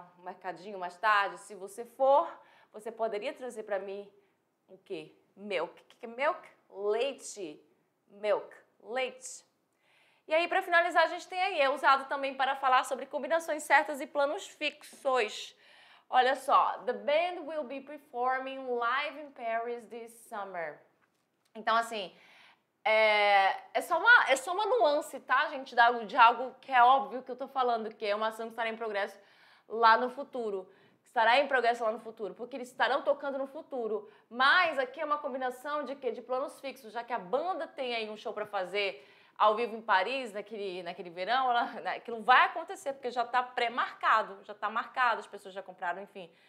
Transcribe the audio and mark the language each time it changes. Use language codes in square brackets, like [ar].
[pt] O mercadinho mais tarde. Se você for... Você poderia trazer para mim o quê? Milk. O que é milk? Leite. Milk. Leite. E aí, para finalizar, a gente tem aí. É usado também para falar sobre combinações certas e planos fixos. Olha só. [en] The band will be performing live in Paris this summer. [pt] Então, assim, é só uma nuance, tá, gente? De algo que é óbvio que eu estou falando, que é uma ação que estará em progresso lá no futuro. Estará em progresso lá no futuro, porque eles estarão tocando no futuro. Mas aqui é uma combinação de quê? De planos fixos, já que a banda tem aí um show para fazer ao vivo em Paris, naquele verão, aquilo vai acontecer, porque já está pré-marcado, já está marcado, as pessoas já compraram, enfim.